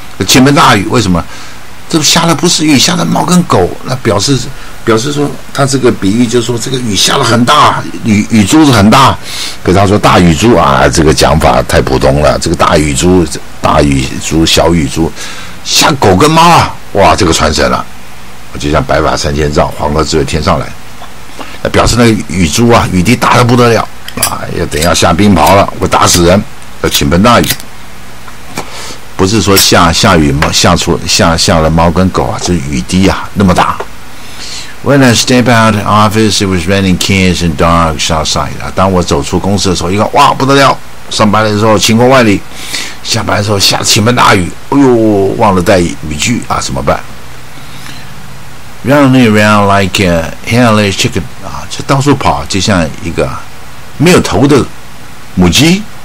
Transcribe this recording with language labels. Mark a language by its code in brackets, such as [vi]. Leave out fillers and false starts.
[zh] 倾盆大雨为什么？这下的不是雨，下的猫跟狗，那表示说他这个比喻就是说这个雨下了很大，雨珠是很大，可是他说大雨珠啊，这个讲法太普通了，这个大雨珠小雨珠下狗跟猫啊，哇，这个传神了，就像白发三千丈，黄河之水天上来，表示那个雨珠啊，雨滴大得不得了啊，要等要下冰雹了，会打死人，要倾盆大雨。不是说下雨下了猫跟狗啊，这雨滴啊那么大。 [en] When I step out of office, it was raining cats and dogs outside. [zh] 当我走出公司的时候，一看，哇，不得了！上班的时候晴空万里，下班的时候下倾盆大雨。哎呦，忘了带雨具啊，怎么办 ？ [en] Running around like a hairless chicken [zh] 啊，就到处跑，就像一个没有头的母鸡。